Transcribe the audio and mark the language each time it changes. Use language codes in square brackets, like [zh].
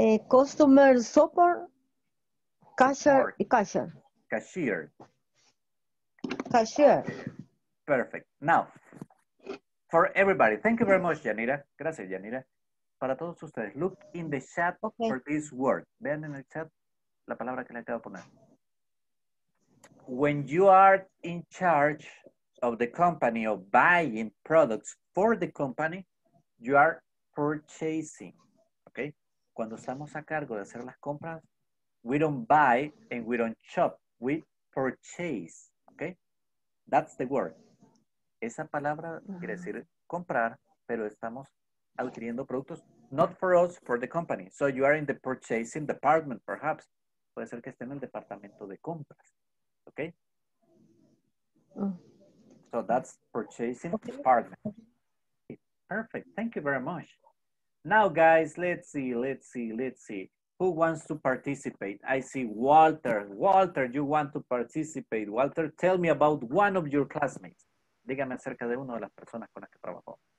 [en] Customer support, cashier. Perfect. Now, for everybody, thank you very much, Yanira. [es] Gracias, Yanira. Para todos ustedes, [en] look in the chat for this word. [es] Vean en el chat la palabra que le acabo de poner. [en] When you are in charge of the company or buying products for the company, you are purchasing. [es] Okay? Cuando estamos a cargo de hacer las compras, [en] we don't buy and we don't shop. We purchase. Okay? That's the word. [es] Esa palabra quiere decir comprar, pero estamos adquiriendo productos, [en] not for us, for the company. So you are in the purchasing department, perhaps. [es] Puede ser que esté en el departamento de compras. [en] Okay? So that's purchasing department. Perfect. Thank you very much. Now, guys, let's see. Who wants to participate? I see Walter. Walter, you want to participate. Walter, tell me about one of your classmates. [es] Dígame acerca de una de las personas con las que trabajó.